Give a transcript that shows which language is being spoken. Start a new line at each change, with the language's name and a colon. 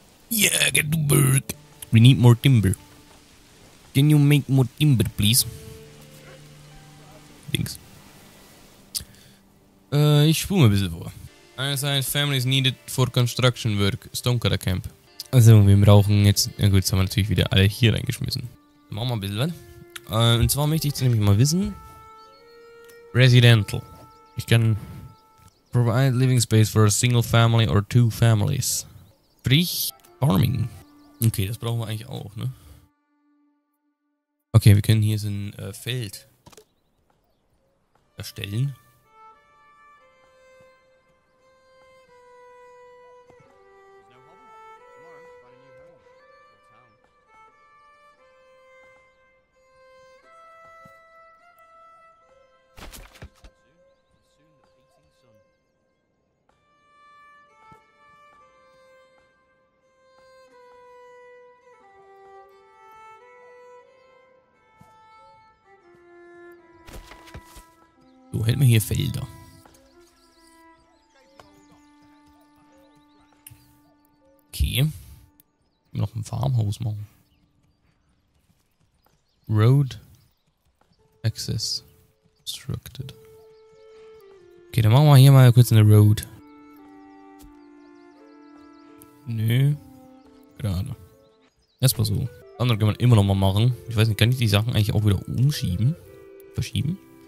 English: Yeah, get to work. We need more timber. Can you make more timber, please? Thanks.
German: Ich spule mir ein bisschen vor. Einerseits,
English: families needed for construction work. Stonecutter Camp.
German: Also, wir brauchen jetzt... Na gut, jetzt haben wir natürlich wieder alle hier reingeschmissen. Machen wir ein bisschen was. Und zwar möchte ich jetzt nämlich mal wissen... Residential. Ich kann...
English: Provide living space for a single family or two families.
German: Sprich, farming. Okay, das brauchen wir eigentlich auch, ne? Okay, wir können hier so ein Feld erstellen. So, hält mir hier Felder. Okay. Ich will noch ein Farmhaus machen.
English: Road access obstructed.
German: Okay, dann machen wir hier mal kurz eine Road. Nö. Gerade. Erstmal so. Andere kann man immer noch mal machen. Ich weiß nicht, kann ich die Sachen eigentlich auch wieder umschieben? Verschieben?